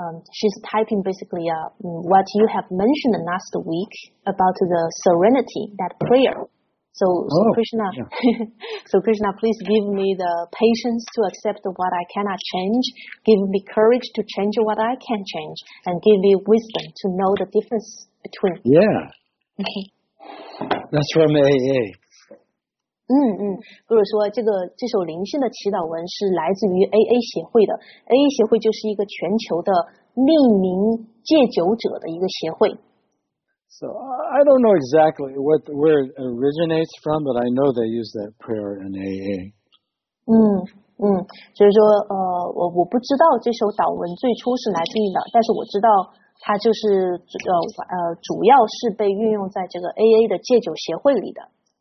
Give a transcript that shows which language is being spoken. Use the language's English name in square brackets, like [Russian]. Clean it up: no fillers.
[English] She's typing basically what you have mentioned last week about the serenity, that prayer. So Krishna, please give me the patience to accept what I cannot change. Give me courage to change what I can change, and give me wisdom to know the difference between. Yeah. That's from AA. [Chinese] 或者说这首灵性的祈祷文是来自于 AA 协会的。 AA 协会就是一个全球的匿名戒酒者的一个协会。 [English] So I don't know exactly where it originates from, but I know they use that prayer in AA. [Chinese] 所以说我不知道这首祷文最初是来自于哪，但是我知道它就是主要是被运用在这个 AA 的戒酒协会里的。